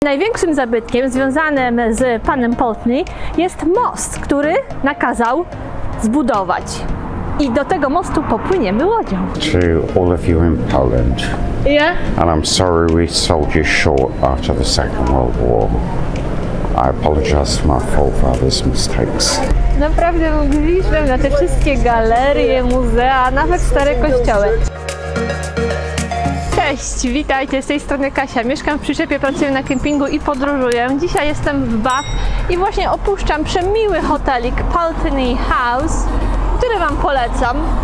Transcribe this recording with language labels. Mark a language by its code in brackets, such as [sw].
[pl] Największym zabytkiem związanym z panem Pulteney jest most, który nakazał zbudować. I do tego mostu popłyniemy łodzią. [en] To all of you in Poland. Yeah. And I'm sorry we sold you short after the Second World War. I apologize for my forefathers' mistakes. [pl] Naprawdę mówiliśmy na te wszystkie galerie, muzea, nawet stare kościoły. Cześć, witajcie, z tej strony Kasia. Mieszkam w przyczepie, pracuję na kempingu i podróżuję. Dzisiaj jestem w Bath i właśnie opuszczam przemiły hotelik Pulteney House, który Wam polecam.